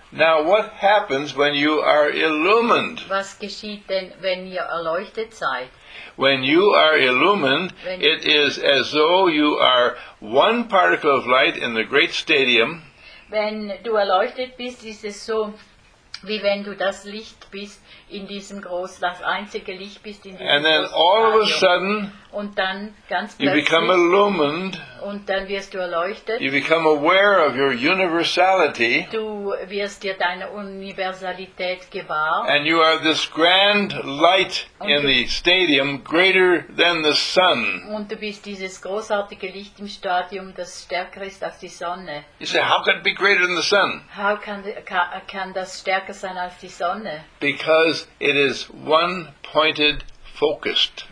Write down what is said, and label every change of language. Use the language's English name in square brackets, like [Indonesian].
[English] Now what happens when you are illumined? [German] Was geschieht denn, wenn ihr erleuchtet seid? [English] When you are illumined, it is as though you are one particle of light in the great stadium. [German] Wenn du erleuchtet bist, ist es so, wie wenn du das Licht bist in diesem Groß, das einzige Licht bist in diesem [English] and then all of a sudden, [German] und dann ganz [English] you become illumined, [German] und dann wirst du erleuchtet, [English] you become aware of your universality, [German] du wirst dir deiner Universalität gewahr, [English] and you are this grand light in the stadium, greater than the sun. [German] Und du bist dieses großartige Licht im Stadium, das stärker ist als die Sonne. [English] You say, how can it be greater than the sun? How can [German] das stärker sein als die Sonne? [English] Because it is one pointed focused.